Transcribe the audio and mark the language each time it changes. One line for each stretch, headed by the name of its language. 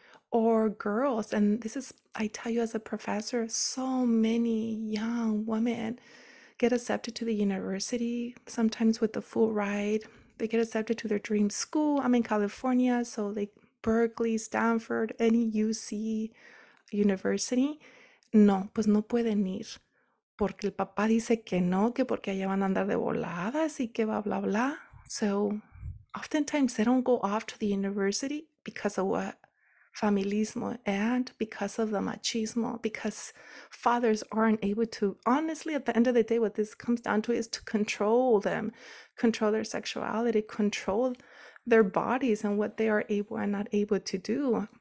English: Or girls, and this is, I tell you as a professor, so many young women get accepted to the university, sometimes with the full ride. They get accepted to their dream school. I'm in California, so like Berkeley, Stanford, any UC university.
Spanish: No, pues no pueden ir. Porque el papá dice que no, que porque allá van a andar de voladas y que bla, bla, bla.
English: So oftentimes they don't go off to the university because of what? Familismo, and because of the machismo, because fathers aren't able to, honestly, at the end of the day, what this comes down to is to control them, control their sexuality, control their bodies and what they are able and not able to do.